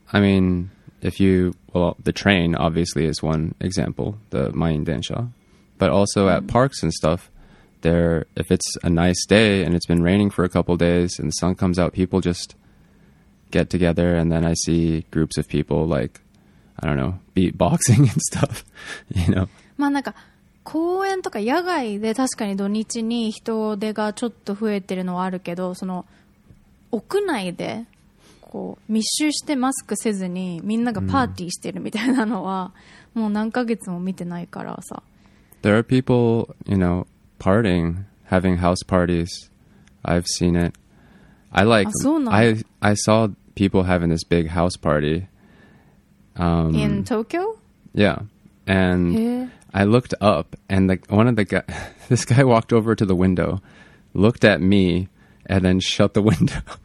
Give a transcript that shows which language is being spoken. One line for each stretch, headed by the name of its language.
English: Well,I mean, the train obviously is one example, the Main Densha. But also at parks and stuff, there, if it's a nice day and it's been raining for a couple of days and the sun comes out, people just get together and then I see groups of people like, I don't know, beatboxing and stuff, you know.
Japanese: まあなんか公園とか野外で確かに土日に人出がちょっと増えてるのはあるけど、その屋内でこう密集してマスクせずにみんながパーティーしてるみたいなのは、うん、もう何ヶ月も見てないからさ
English: There are people, you know, partying, having house parties. I've seen it. I saw people having this big house party. In Tokyo? Yeah. And I looked up and this guy walked over to the window, looked at me, and then shut the window.